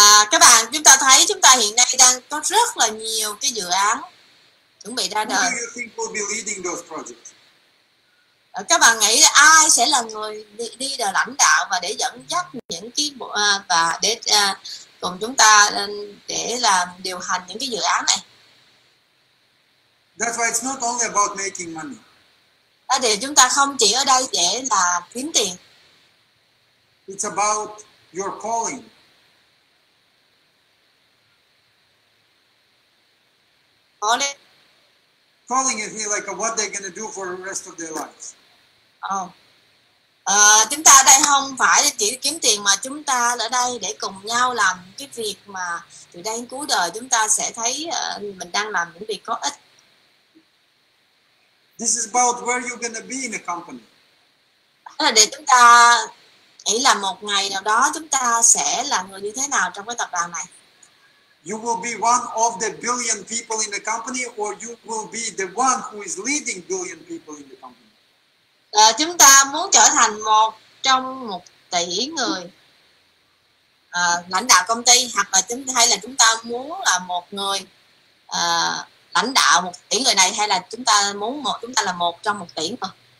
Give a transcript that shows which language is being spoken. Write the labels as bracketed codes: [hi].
[vi] Các bạn, chúng ta thấy chúng ta hiện nay đang có rất là nhiều cái dự án chuẩn bị ra [en] Who [vi] đời. [en] do you think will be leading those projects? [vi] Các bạn nghĩ là ai sẽ là người đi đời lãnh đạo và để dẫn dắt những cái và để cùng chúng ta để làm điều hành những cái dự án này? [en] That's why it's not only about making money. [vi] À, thì chúng ta không chỉ ở đây để là kiếm tiền. [en] It's about your calling. Calling. Calling is like a, what they're going to do for the rest of their lives. [vi] Chúng ta ở đây không phải chỉ kiếm tiền mà chúng ta ở đây để cùng nhau làm cái việc mà từ đây đến cuối đời chúng ta sẽ thấy mình đang làm những việc có ích. [en] This is about where you're going to be in a company. [vi] Để chúng ta nghĩ là một ngày nào đó chúng ta sẽ là người như thế nào trong cái tập đoàn này. [en] You will be one of the billion people in the company, or you will be the one who is leading billion people in the company. [vi] Chúng ta muốn trở thành một trong một tỷ người lãnh đạo công ty, hoặc là chúng hay là chúng ta muốn là một người lãnh đạo một tỷ người này, hay là chúng ta muốn một chúng ta là một trong một tỷ người.